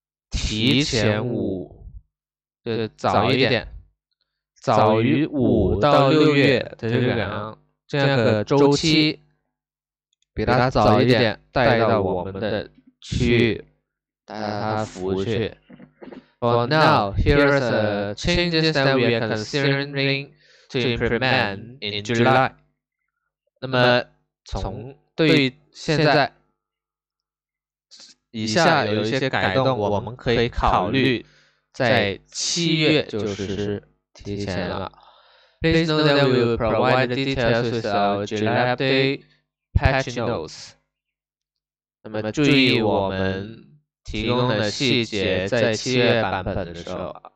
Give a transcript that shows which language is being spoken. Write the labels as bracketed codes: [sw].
[zh] 提前五，就是早一点，早于5到6月的这个这样的周期，比它早一点带到我们的区域，带到它服务区。 [en] For now, here are the changes that we are considering to implement in July. [zh] 那么从对于现在以下有一些改动，我们可以考虑在7月就实施提前了。 [en] Please note that we will provide the details with our July update patch notes. [zh] 那么注意我们提供的细节在7月版本的时候。